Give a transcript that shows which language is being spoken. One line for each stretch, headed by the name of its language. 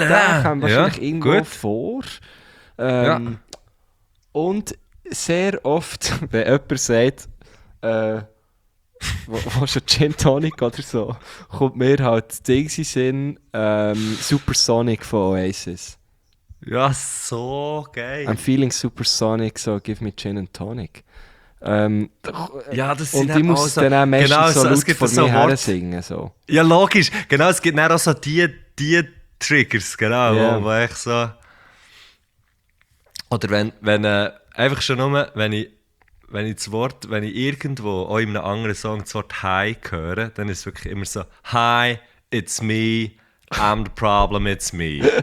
German: Der kommt wahrscheinlich irgendwo vor. Und sehr oft, wenn jemand sagt, wo ist ein Gin Tonic oder so, kommt mir halt Dings in Sinn, Supersonic von Oasis. Ja, so geil.
English: I'm feeling supersonic, so give me Gin and Tonic.
German: Ja, das und ich muss also, dann auch meistens genau, so laut von mir her singen. So. Ja, logisch. Genau, es gibt dann auch so die Triggers, genau, wo ich so... Oder wenn einfach schon nur, wenn ich das Wort, wenn ich irgendwo auch in einem anderen Song das Wort «Hi» höre, dann ist es wirklich immer so
English: «Hi, it's me, I'm the problem, it's me».